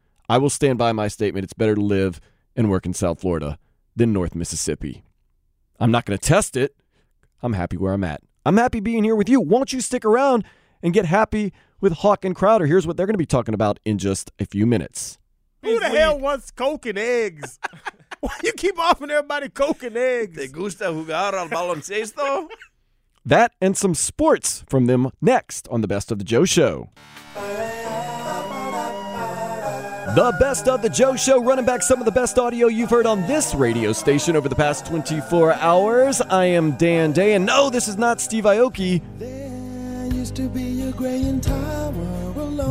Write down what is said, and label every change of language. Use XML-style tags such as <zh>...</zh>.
<en>I will stand by my statement. It's better to live and work in South Florida than North Mississippi. I'm not going to test it. I'm happy where I'm at. I'm happy being here with you. Won't you stick around and get happy with Hawk and Crowder? Here's what they're going to be talking about in just a few minutes. Who the hell wants Coke and eggs? Why you keep offering everybody Coke and eggs?</en> <es>¿Te gusta jugar al baloncesto?</es> <en>That and some sports from them next on The Best of the Joe Show. The Best of the Joe Show, running back some of the best audio you've heard on this radio station over the past 24 hours. I am Dan Day, and no, this is not Steve Aoki. There used to be a gray and tower.</en>